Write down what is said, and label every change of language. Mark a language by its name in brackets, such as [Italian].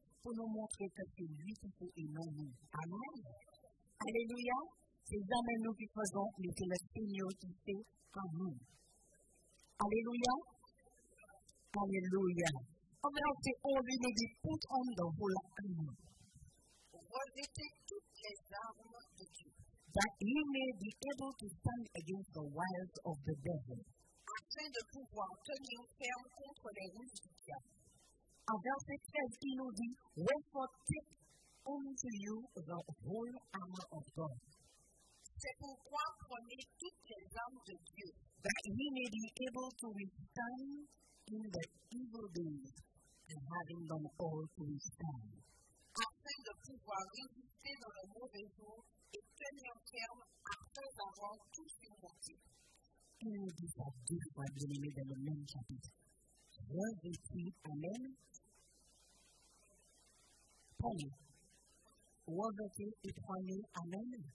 [French] Pour nous montrer que c'est lui qui fait et non nous. Amen. Alléluia. C'est jamais nous qui faisons, mais c'est le Seigneur qui fait en nous. Alléluia. Alléluia. Embrassez au lieu de tout homme dans vos lacunes. Revêtez toutes les armes de Dieu. [English] that you may be able to stand against the wiles of the devil. [French] Afin de pouvoir tenir ferme contre les ruses du diable. En verset 16, il nous dit, [English] wherefore take unto you the whole armor of God. [French] C'est pourquoi prenez toutes les armes de Dieu. [English] That we may be able to withstand in the evil days, and having them all to withstand. [French] Afin de pouvoir résister dans le mauvais jour et tenir ferme afin d'avoir tout ce qu'il faut. Et vous avez dit, je vais vous dans le même chapitre. [English] Verse 18, Amen. Paul, verse 18, Amen.